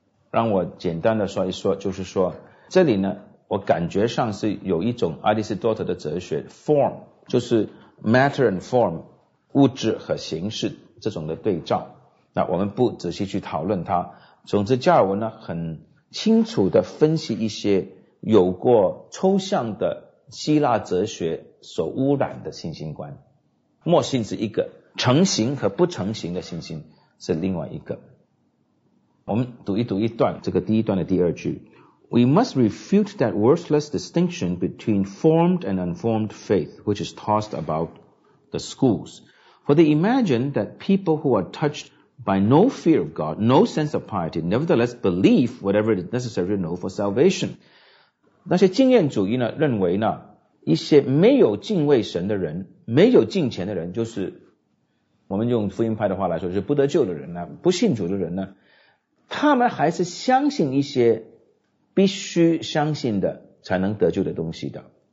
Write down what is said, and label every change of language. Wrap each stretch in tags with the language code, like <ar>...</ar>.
<zh>让我简单的说一说，就是说这里呢我感觉上是有一种阿里斯多德的哲学， form 就是 matter and form， 物质和形式这种的对照，那我们不仔细去讨论它。总之加尔文呢很清楚地分析一些有过抽象的希腊哲学所污染的信心观，默信是一个，成型和不成型的信心是另外一个。我们读一读一段这个第一段的第二句，</zh> <en>We must refute that worthless distinction between formed and unformed faith which is tossed about the schools, for they imagine that people who are touchedby no fear of God, no sense of piety, nevertheless believe whatever it is necessary to know for salvation.</en> <zh>那些经验主义呢认为呢，一些没有敬畏神的人，没有敬虔的人，就是我们用福音派的话来说，就是不得救的人呢，不信主的人呢，他们还是相信一些必须相信的才能得救的东西的。</zh>